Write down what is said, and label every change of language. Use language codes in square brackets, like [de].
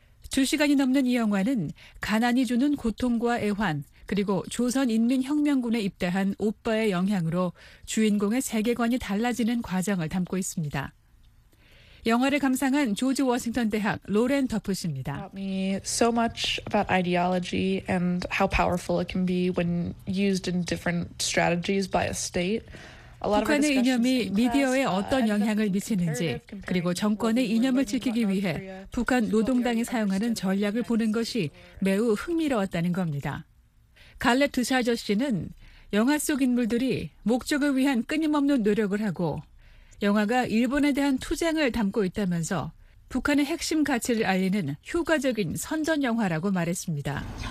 [ko] 2시간이 넘는 이 영화는 가난이 주는 고통과 애환, 그리고 조선인민혁명군에 입대한 오빠의 영향으로 주인공의 세계관이 달라지는 과정을 담고 있습니다. 영화를 감상한 조지 워싱턴 대학 로렌 더프 씨입니다. [en] So much about ideology and how powerful it can be when used in different strategies by a state. [ko] 북한의 이념이 미디어에 어떤 영향을 미치는지, 그리고 정권의 이념을 지키기 위해 북한 노동당이 사용하는 전략을 보는 것이 매우 흥미로웠다는 겁니다. 갈렙 두샤저 씨는 영화 속 인물들이 목적을 위한 끊임없는 노력을 하고 영화가 일본에 대한 투쟁을 담고 있다면서 북한의 핵심 가치를 알리는 효과적인 선전 영화라고 말했습니다.